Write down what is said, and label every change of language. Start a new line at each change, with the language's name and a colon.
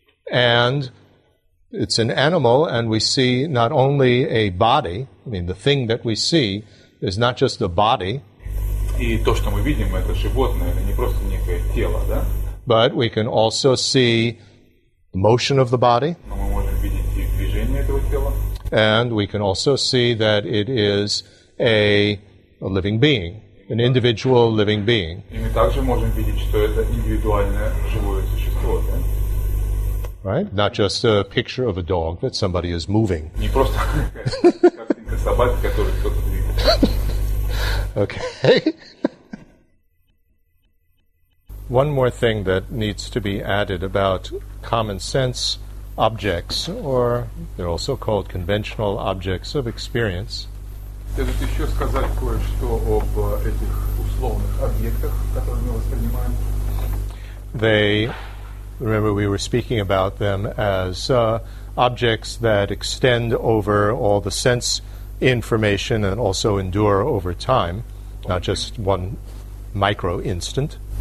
English: And it's an animal, and we see not only a body, I mean, the thing that we see is not just a body.
Russian: И то, что мы видим, это животное, это не просто некое тело, да?
English: But we can also see the motion of the body.
Russian: Но мы можем видеть и движение этого тела.
English: And we can also see that it is a a living being, an individual living being.
Russian: И мы также можем видеть, что это индивидуальное живое существо, да?
English: Right? Not just a picture of a dog that somebody is moving.
Russian: Не просто картинка собаки, которую кто-то двигает.
English: Okay. One more thing that needs to be added about common sense objects, or they're also called conventional objects of experience.
Russian: Следует еще сказать кое-что об этих условных объектах, которые мы воспринимаем.
English: They, remember, we were speaking about them as objects that extend over all the sense information and also endure over time, not just one micro instant.